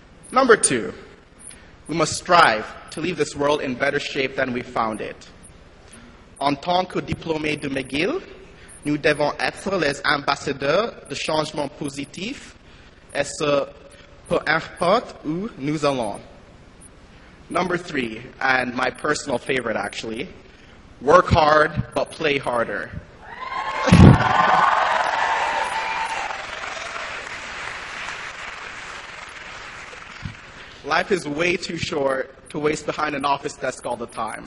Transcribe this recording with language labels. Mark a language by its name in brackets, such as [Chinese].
[English] Number two, we must strive to leave this world in better shape than we found it. [French] En tant que diplômé de McGill, nous devons être les ambassadeurs de changement positif et ce peu importe où nous allons. [English] Number three, and my personal favorite actually, work hard but play harder. Life is way too short to waste behind an office desk all the time.